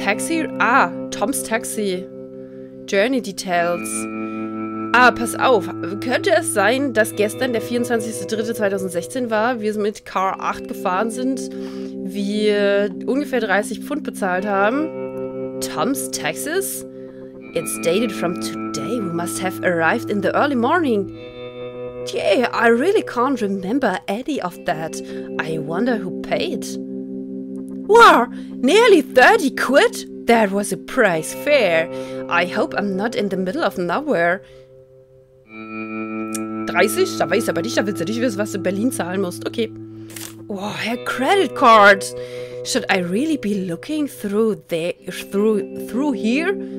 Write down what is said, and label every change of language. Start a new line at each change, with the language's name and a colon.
English: Taxi. Ah, Tom's Taxi. Journey Details. Ah,
German: pass auf. Könnte es sein, dass gestern der 24.03.2016 war, wir mit Car 8 gefahren sind, wir ungefähr 30 Pfund bezahlt haben?
English: Tom's Taxis? It's dated from today. We must have arrived in the early morning. Yeah, I really can't remember any of that. I wonder who paid. Wow, nearly 30 quid? That was a price fair. I hope I'm not in the middle of nowhere. 30?
German: Da weiß aber nicht, da willst du nicht wissen, was du in Berlin zahlen musst.
English: Okay. Wow, her credit card. Should I really be looking through there, through here?